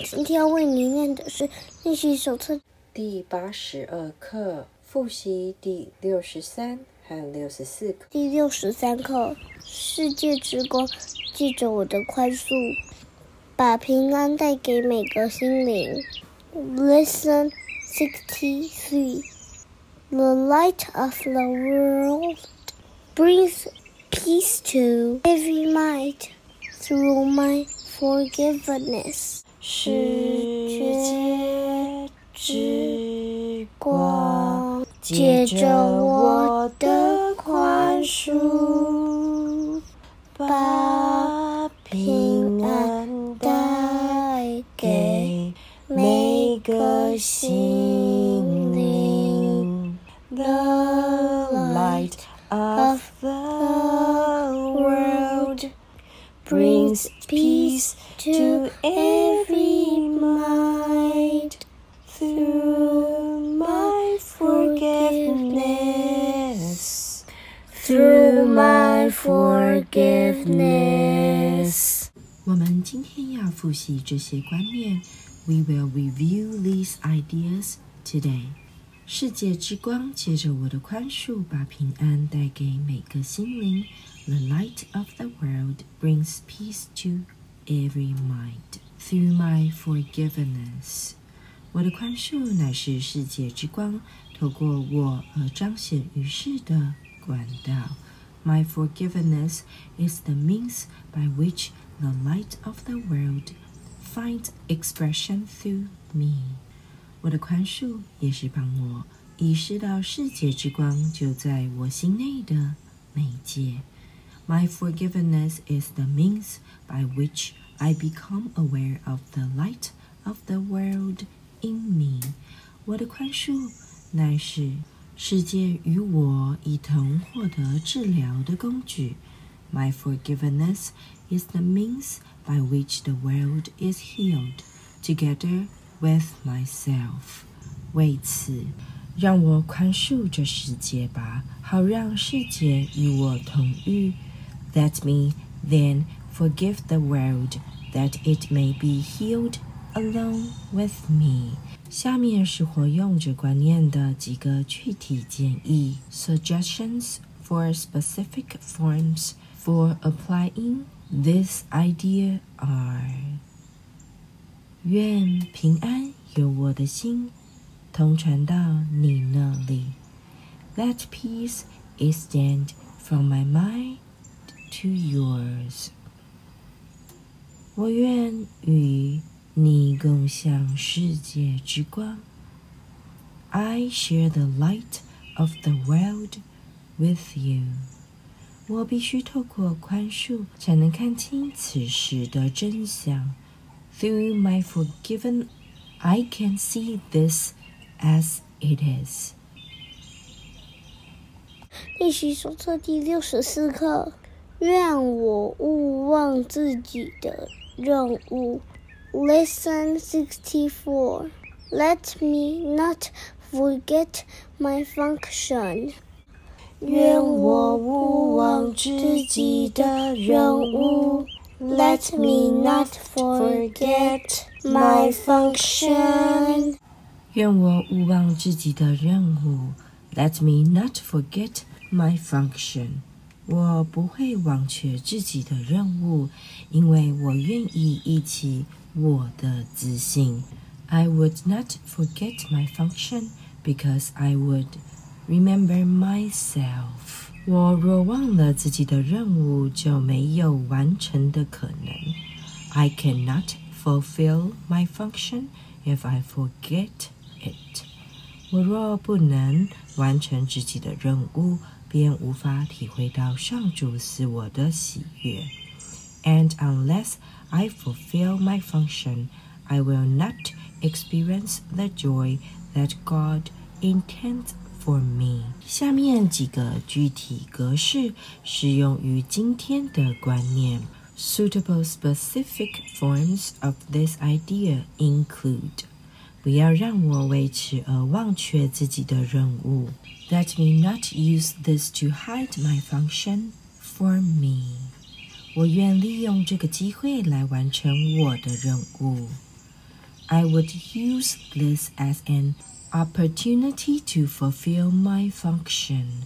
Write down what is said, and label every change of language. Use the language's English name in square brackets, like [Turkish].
[Chinese] 今天为你念的是练习手册第82课，复习第63和64课。第63课，世界之光，记着我的宽恕，把平安带给每个心灵。 [English] Lesson 63 The light of the world brings peace to every mind. Through my forgiveness, [Chinese] 世界之光，借着我的宽恕，把平安带给每个心灵。 [English] The light of the world. Brings peace to every mind through my forgiveness. Through my forgiveness. [Chinese] 我们今天要复习这些观念。 [English] We will review these ideas today. [Chinese] 世界之光，借着我的宽恕，把平安带给每个心灵。 [English] The light of the world brings peace to every mind through my forgiveness. [Chinese] 我的宽恕乃是世界之光，透过我而彰显于世的管道。 [English] My forgiveness is the means by which the light of the world finds expression through me. [Chinese] 我的宽恕也是帮我意识到世界之光就在我心内的媒介。 [English] My forgiveness is the means by which I become aware of the light of the world in me. [Chinese] 我的宽恕乃是世界与我一同获得治疗的工具。 [English] My forgiveness is the means by which the world is healed together with myself. [Chinese] 为此，让我宽恕这世界吧，好让世界与我同愈。 [English] Let me then forgive the world that it may be healed along with me. [Chinese] 下面是活用这观念的几个具体建议。 [English] Suggestions for specific forms for applying this idea are [Chinese] 愿平安由我的心通传到你那里。 [English] Let peace extend from my mind. To yours. [Chinese] 我愿与你共享世界之光。 [English] I share the light of the world with you. [Chinese] 我必须透过宽恕才能看清此事的真相。 [English] Through my forgiven, I can see this as it is. [Chinese] 练习手册第64课。愿我勿忘自己的任务。 [English] Lesson 64 Let me not forget my function. [Chinese] 愿我勿忘自己的任务。 [English] Let me not forget my function. [Chinese] 愿我勿忘自己的任务。 [English] Let me not forget my function. [Chinese] 我不会忘却自己的任务，因为我愿意忆起我的自信。 [English] I would not forget my function because I would remember myself. [Chinese] 我若忘了自己的任务，就没有完成的可能。 [English] I cannot fulfill my function if I forget it. [Chinese] 我若不能完成自己的任务，便无法体会到上主赐我的喜悦。 [English] And unless I fulfill my function, I will not experience the joy that God intends for me. [Chinese] 下面几个具体格式适用于今天的观念。 [English] Suitable specific forms of this idea include [Chinese] 不要让我为此而忘却自己的任务。 [English] Let me not use this to hide my function for me. [Chinese] 我愿利用这个机会来完成我的任务。 [English] I would use this as an opportunity to fulfill my function.